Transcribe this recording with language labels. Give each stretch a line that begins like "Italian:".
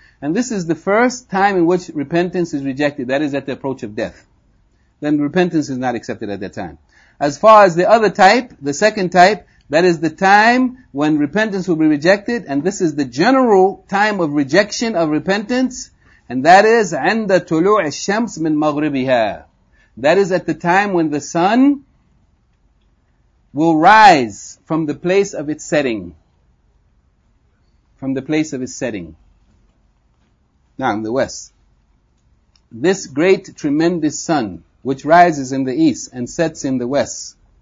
English: And this is the first time in which repentance is rejected. That is at the approach of death. Then repentance is not accepted at that time. As far as the other type, the second type, that is the time when repentance will be rejected. And this is the general time of rejection of repentance. And that is,
Arabic: عند طلوع الشمس من مغربها.
English: That is at the time when the sun will rise from the place of its setting. From the place of its setting. Now, in the west. This great, tremendous sun, which rises in the east and sets in the west.